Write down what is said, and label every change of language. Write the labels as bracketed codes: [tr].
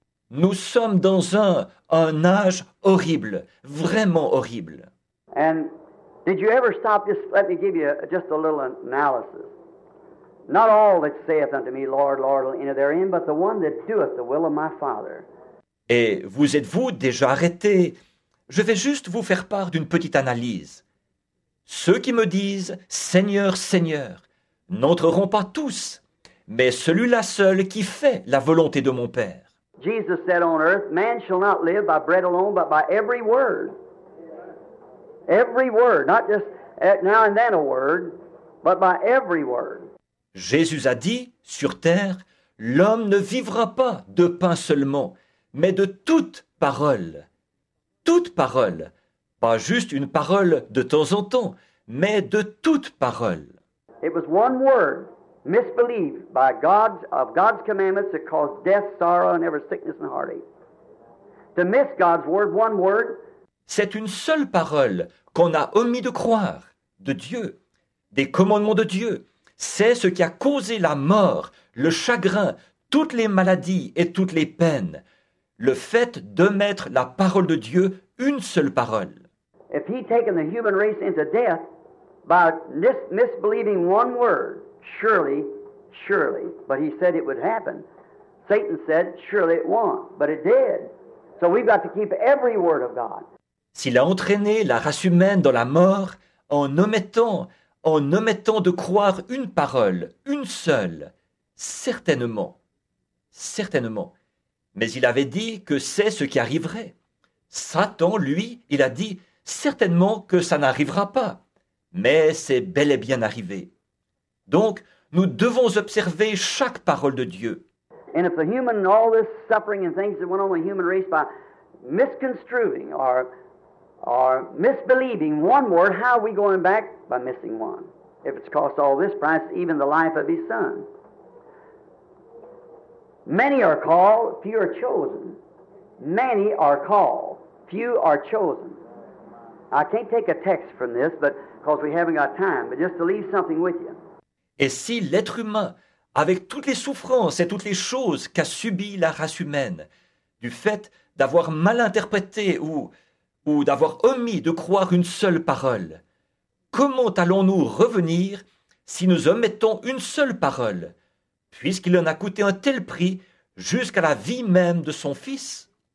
[fr] Nous sommes dans un âge horrible, vraiment horrible. [en] And did you ever stop? Just let me give you just a little analysis. Not all that saith unto me, Lord, Lord, will enter therein, but the one that doeth the will of my Father. [fr] Et vous êtes-vous déjà arrêté? Je vais juste vous faire part d'une petite analyse. Ceux qui me disent « Seigneur, Seigneur » n'entreront pas tous, mais celui-là seul qui fait la volonté de mon Père. [en] Jesus said on earth, man shall not live by bread alone, but by every word. Every word, not just now and then a word, but by every word. [fr] Jésus a dit, sur terre, l'homme ne vivra pas de pain seulement, mais de toute parole. Toute parole, pas juste une parole de temps en temps, mais de toute parole. [en] It was one word, misbelieved by God's, of God's commandments that caused death, sorrow, and every sickness and heartache. To miss God's word, one word. [fr] C'est une seule parole qu'on a omis de croire, de Dieu, des commandements de Dieu. C'est ce qui a causé la mort, le chagrin, toutes les maladies et toutes les peines, le fait de mettre la parole de Dieu, une seule parole. [en] If he'd taken the human race into death by misbelieving one word, surely, surely, but he said it would happen. Satan said, surely it won't, but it did. So we've got to keep every word of God. [fr] S'il a entraîné la race humaine dans la mort en omettant de croire une parole, une seule, certainement. Mais il avait dit que c'est ce qui arriverait. Satan, lui, il a dit certainement que ça n'arrivera pas. Mais c'est bel et bien arrivé. Donc, nous devons observer chaque parole de Dieu. [en] And if the human, all this suffering and things that went on the human race by misconstruing or misbelieving one word, how are we going back by missing one? If it's cost all this price, even the life of his son. Many are called, few are chosen. Many are called, few are chosen. I can't take a text from this, but because we haven't got time, but just to leave something with you. [fr] Et si l'être humain, avec toutes les souffrances et toutes les choses qu'a subies la race humaine, du fait d'avoir mal interprété ou d'avoir omis de croire une seule parole, comment allons-nous revenir si nous omettons une seule parole, puisqu'il en a coûté un tel prix jusqu'à la vie même de son fils?